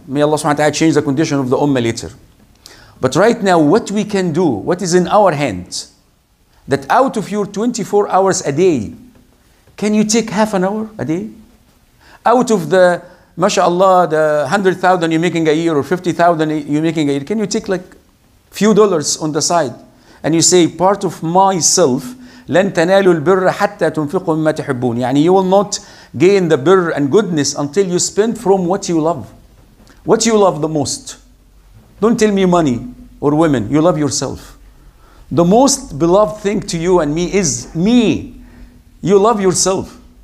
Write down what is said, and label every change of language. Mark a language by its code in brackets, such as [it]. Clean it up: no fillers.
[en] May Allah subhanahu wa ta'ala change the condition of the ummah later. But right now, what we can do, what is in our hands, that out of your 24 hours a day, can you take half an hour a day? Out of the mashallah, the 100,000 you're making a year or 50,000 you're making a year, can you take like a few dollars on the side? And you say, part of myself, [ar] لن تنالوا البر حتى تنفقوا مما تحبون. [en] يعني you will not gain the birr and goodness until you spend from what you love. What you love the most. Don't tell me money or women. You love yourself. The most beloved thing to you and me is me. You love yourself.